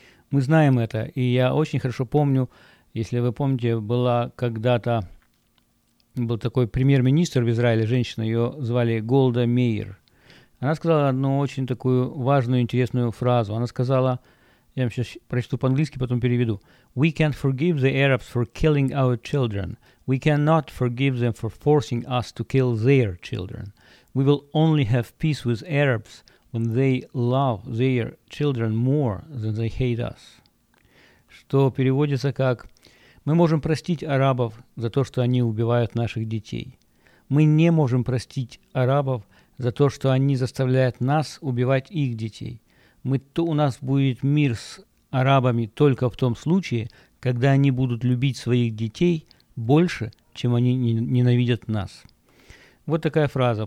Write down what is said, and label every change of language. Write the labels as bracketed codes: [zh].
[ru] Мы знаем это, и я очень хорошо помню, если вы помните, был такой премьер-министр в Израиле, женщина, ее звали Голда Мейер. Она сказала одну очень такую важную, интересную фразу. Она сказала, я вам сейчас прочту по-английски, потом переведу. [en] We can't forgive the Arabs for killing our children. We cannot forgive them for forcing us to kill their children. We will only have peace with Arabs when they love their children more than they hate us. [ru] Что переводится как: мы можем простить арабов за то, что они убивают наших детей. Мы не можем простить арабов за то, что они заставляют нас убивать их детей. У нас будет мир с арабами только в том случае, когда они будут любить своих детей больше, чем они ненавидят нас. Вот такая фраза.